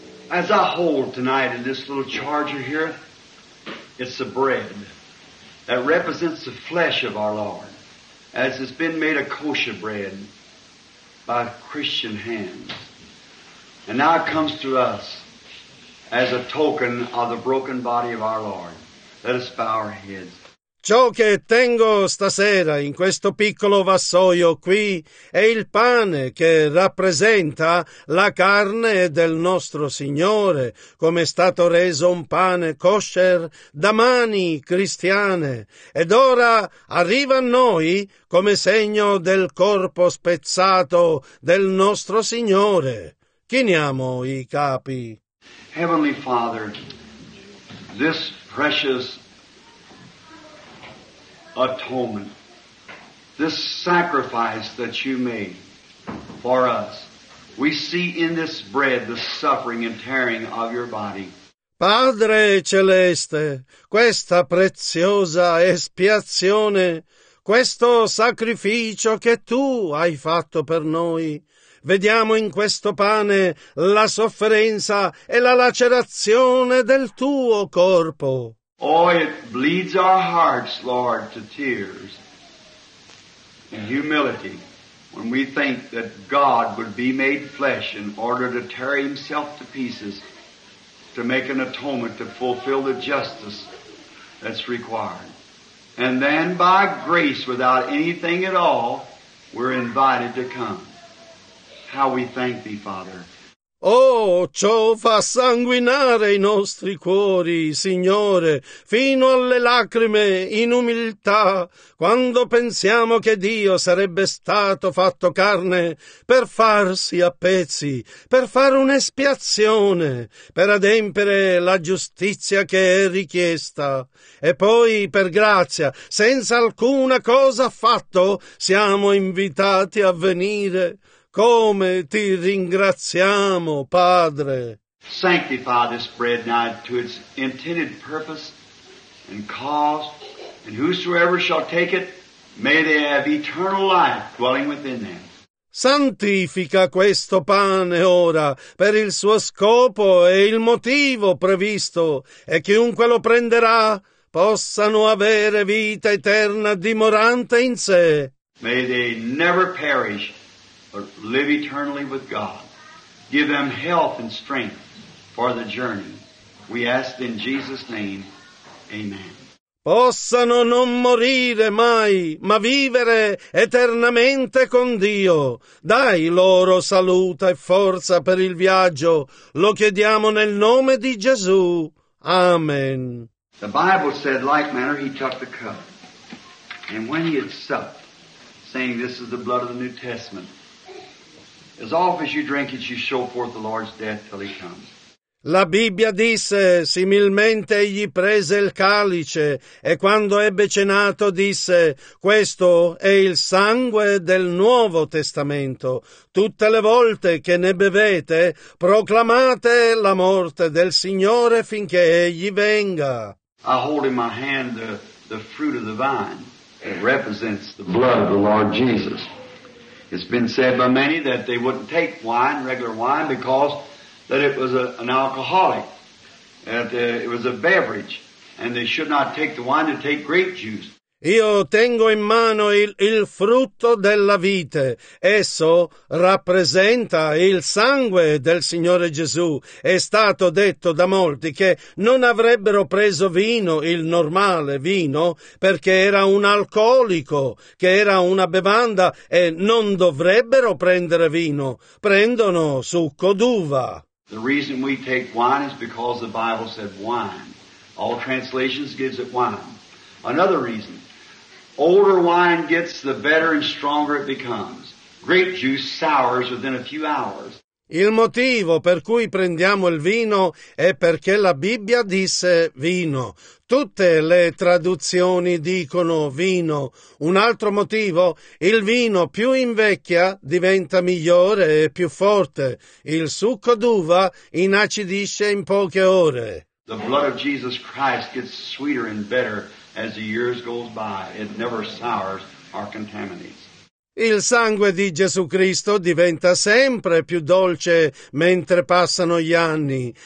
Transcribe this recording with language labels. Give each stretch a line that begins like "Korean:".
English: As I hold tonight in this little charger here, it's the bread that represents the flesh of our Lord. as has been made a kosher bread by Christian hands. And now it comes to us as a token of the broken body of our Lord. Let us bow our heads.
Italian: Ciò che tengo stasera in questo piccolo vassoio qui è il pane che rappresenta la carne del nostro Signore, come è stato reso un pane kosher da mani cristiane, ed ora arriva a noi come segno del corpo spezzato del nostro Signore. Chiniamo i capi.
English: Heavenly Father, this precious atonement, this sacrifice that you made for us. We see in this bread the suffering and tearing of your body.
Italian: Padre celeste, questa preziosa espiazione, questo sacrificio che tu hai fatto per noi, vediamo in questo pane la sofferenza e la lacerazione del tuo corpo.
English: Oh, it bleeds our hearts, Lord, to tears and humility when we think that God would be made flesh in order to tear himself to pieces to make an atonement to fulfill the justice that's required. And then by grace, without anything at all, we're invited to come. How we thank thee, Father.
Italian: Oh, ciò fa sanguinare i nostri cuori, Signore, fino alle lacrime in umiltà, quando pensiamo che Dio sarebbe stato fatto carne per farsi a pezzi, per fare un'espiazione, per adempiere la giustizia che è richiesta. E poi, per grazia, senza alcuna cosa affatto, siamo invitati a venire. Come ti ringraziamo, Padre.
English: Sanctify this bread now to its intended purpose and cause, and whosoever shall take it, may they have eternal life dwelling within them.
Italian: Santifica questo pane ora per il suo scopo e il motivo previsto, e chiunque lo prenderà possano avere vita eterna dimorante in sé.
English: May they never perish, but live eternally with God. Give them health and strength for the journey. We ask in Jesus' name, amen.
Italian: Possano non morire mai, ma vivere eternamente con Dio. Dai loro salute e forza per il viaggio. Lo chiediamo nel nome di Gesù. Amen.
English: The Bible said, like manner, he took the cup. And when he had supped, saying, this is the blood of the New Testament, as often as you drink it, you show forth the Lord's death till he comes.
Italian: La Bibbia disse, similmente egli prese il calice, e quando ebbe cenato disse, questo è il sangue del Nuovo Testamento. Tutte le volte che ne bevete, proclamate la morte del Signore finché egli venga.
English: I hold in my hand the fruit of the vine that represents the blood of the Lord Jesus. It's been said by many that they wouldn't take wine, regular wine, because that it was an alcoholic, that it was a beverage, and they should not take the wine to take grape juice.
Italian: Io tengo in mano il frutto della vite. Esso rappresenta il sangue del Signore Gesù. È stato detto da molti che non avrebbero preso vino, il normale vino, perché era un alcolico, che era una bevanda, e non dovrebbero prendere vino. Prendono succo d'uva.
English: The reason we take wine is because the Bible said wine. All translations gives it wine. Another reason. Older wine gets, the better and stronger it becomes. Grape juice sours within a few hours.
Italian: Il motivo per cui prendiamo il vino è perché la Bibbia disse vino. Tutte le traduzioni dicono vino. Un altro motivo, il vino più invecchia diventa migliore e più forte. Il succo d'uva inacidisce in poche ore.
English: The blood of Jesus Christ gets sweeter and better as the years go by. It never sours or contaminates.
Italian: Il sangue di Gesù Cristo diventa sempre più dolce mentre passano gli anni.